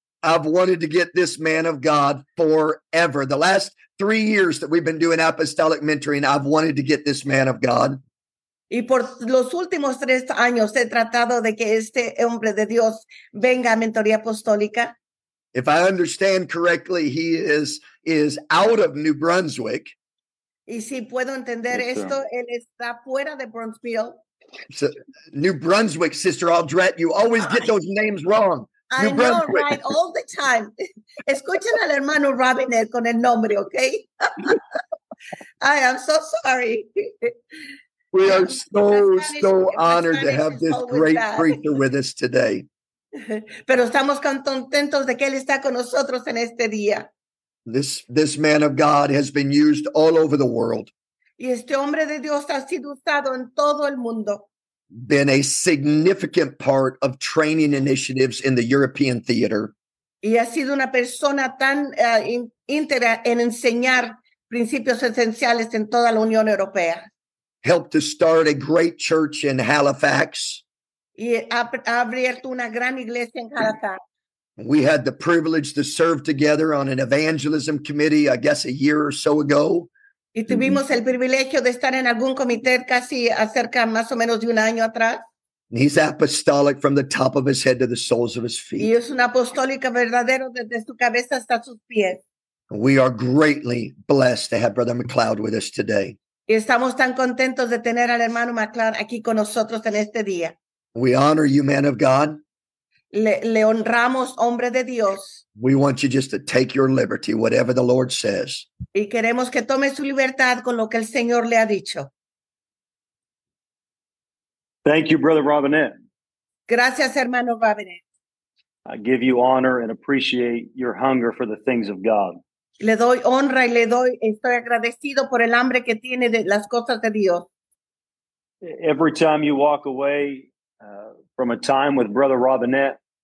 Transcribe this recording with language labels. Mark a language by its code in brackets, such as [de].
[en] I've wanted to get this man of God forever. The last 3 years that we've been doing apostolic mentoring, I've wanted to get this man of God. [es] Y por los últimos 3 años he tratado de que este hombre de Dios venga a mentoría apostólica. [en] If I understand correctly, he is out of New Brunswick. [es] Y si puedo entender esto, él está fuera de Brunsfield. [en] So, New Brunswick, Sister Aldrette, you always get those names wrong. I know, right, all the time. [es] Escuchen al hermano Robinet con el nombre, okay? [en] I am so sorry. We are so honored to have this great preacher with us today. [es] Pero estamos contentos de que él está con nosotros en este día. [en] This man of God has been used all over the world. [es] Y este hombre de Dios ha sido usado en todo el mundo. [en] Been a significant part of training initiatives in the European theater. [es] Y ha sido una persona tan íntegra en enseñar principios esenciales en toda la Unión Europea. [en] Helped to start a great church in Halifax. [es] Y ha abierto una gran iglesia en Halifax. [en] We had the privilege to serve together on an evangelism committee, I guess, a year or so ago. [es] Y tuvimos el privilegio de estar en algún comité casi acerca más o menos de un año atrás. [en] He's apostolic from the top of his head to the soles of his feet. [es] Y es un apostólico verdadero desde su cabeza hasta sus pies. [en] We are greatly blessed to have Brother McLeod with us today. [es] Y estamos tan contentos de tener al hermano McLeod aquí con nosotros en este día. [en] We honor you, man of God. [es] Le honramos, hombre de Dios. [en] We want you just to take your liberty, whatever the Lord says. [es] Y queremos que tome su libertad con lo que el Señor le ha dicho. [en] Thank you, Brother Robinette. [es] Gracias, hermano Robinette. [en] I give you honor and appreciate your hunger for the things of God. [es] Le doy honra y estoy agradecido por el hambre que tiene de las cosas de Dios. [en] Every time you walk away from a time with Brother Robinette.